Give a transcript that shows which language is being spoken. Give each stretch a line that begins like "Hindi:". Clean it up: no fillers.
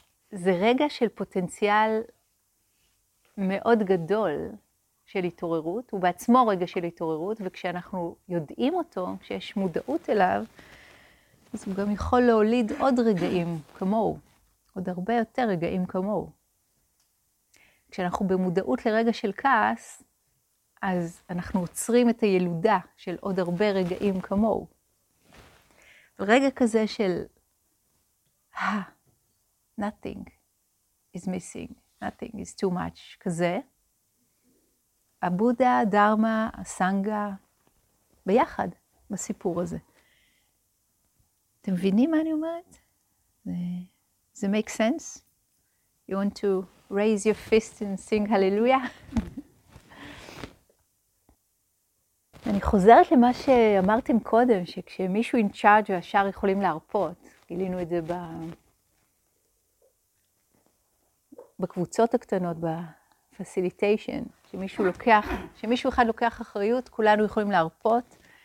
Hebrew: זה רגע של פוטנציאל מאוד גדול של התעוררות, הוא בעצמו רגע של התעוררות, וכשאנחנו יודעים אותו, כשיש מודעות אליו, אז הוא גם יכול להוליד עוד רגעים כמוהו, עוד הרבה יותר רגעים כמוהו. כשאנחנו במודעות לרגע של כעס, אז אנחנו עוצרים את הילודה של עוד הרבה רגעים כמוהו. רגע כזה של
English: nothing is missing, nothing is too much,
Hebrew: כזה. הבודה, דרמה, הסנגה, ביחד בסיפור הזה. אתם מבינים מה אני אומרת? זה
English: make sense? You want to raise your fist and sing hallelujah.
Hebrew: אני חוזרת למה שאמרתם קודם, שכשמישהו
English: in charge
Hebrew: והשאר יכולים להרפות, גילינו את זה בקבוצות הקטנות, בפסיליטיישן, שמישהו אחד לוקח אחריות, כולנו יכולים להרפות.